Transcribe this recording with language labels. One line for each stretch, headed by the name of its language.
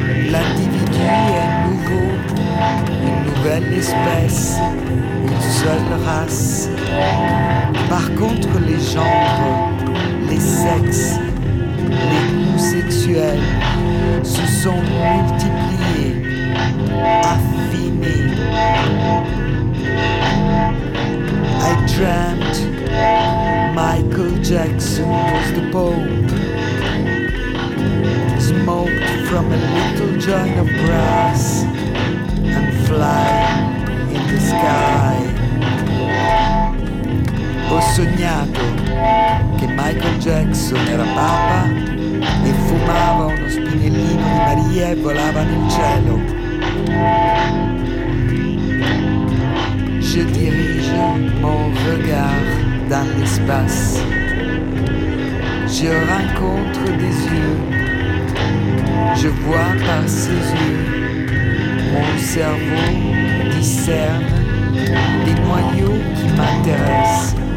French: L'individu est nouveau, une nouvelle espèce, une seule race. Par contre, les genres, les sexes, les goûts sexuels se sont multipliés, affinés.
English: I dreamt Michael Jackson was the Pope, smoked from a little joint of grass and fly in the sky.
Italian: Ho sognato che Michael Jackson era papa e fumava uno spinellino di Maria e volava nel cielo.
French: Je dirige mon regard dans l'espace. Je rencontre des yeux. Je vois par ses yeux. Mon cerveau discerne des noyaux qui m'intéressent.